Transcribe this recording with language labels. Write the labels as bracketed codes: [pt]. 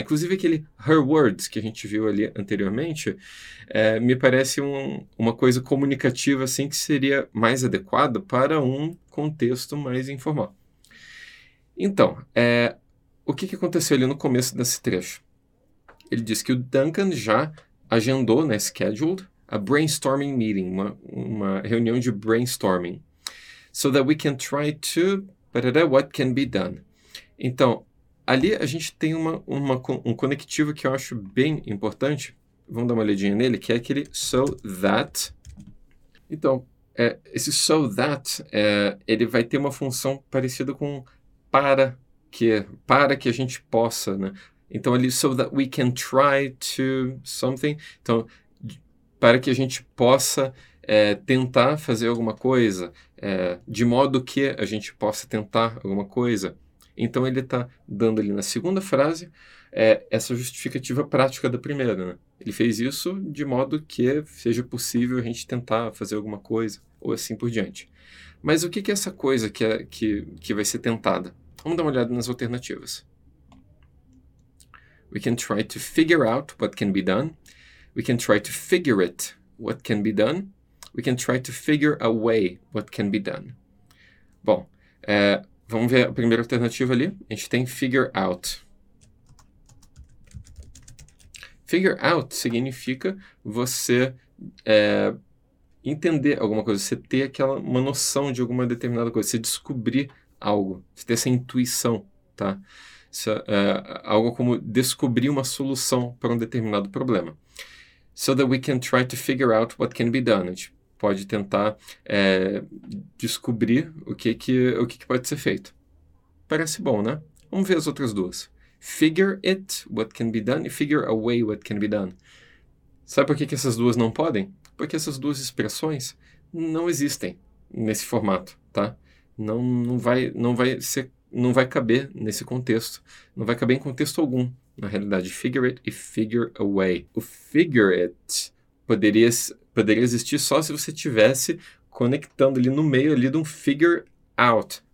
[pt] Inclusive aquele her words que a gente viu ali anteriormente, me parece uma coisa comunicativa, assim, que seria mais adequada para um contexto mais informal. Então, o que que aconteceu ali no começo desse trecho? Ele disse que o Duncan já agendou, né, scheduled, [en] a brainstorming meeting, [pt] uma reunião de brainstorming. [en] So that we can try to, what can be done. [pt] Então, ali a gente tem um conectivo que eu acho bem importante. Vamos dar uma olhadinha nele, que é aquele so that. Então, esse so that, ele vai ter uma função parecida com para que a gente possa, né? Então ali, [en] so that we can try to something. [pt] Então, para que a gente possa tentar fazer alguma coisa, de modo que a gente possa tentar alguma coisa. Então ele está dando ali na segunda frase essa justificativa prática da primeira, né? Ele fez isso de modo que seja possível a gente tentar fazer alguma coisa ou assim por diante. Mas o que que é essa coisa que vai ser tentada? Vamos dar uma olhada nas alternativas. [en] We can try to figure out what can be done. We can try to figure it, what can be done. We can try to figure a way, what can be done. [pt] Bom, vamos ver a primeira alternativa ali. A gente tem figure out. Figure out significa você entender alguma coisa, você ter uma noção de alguma determinada coisa, você descobrir algo, você ter essa intuição, tá? Algo como descobrir uma solução para um determinado problema. [en] So that we can try to figure out what can be done. [pt] A gente pode tentar descobrir o que que pode ser feito. Parece bom, né? Vamos ver as outras duas. [en] Figure it, what can be done, e figure a way, what can be done. [pt] Sabe por que essas duas não podem? Porque essas duas expressões não existem nesse formato, tá? Não vai caber nesse contexto. Não vai caber em contexto algum, na realidade. Figure it e figure a way. O figure it poderia existir só se você tivesse conectando ali no meio ali de um figure out.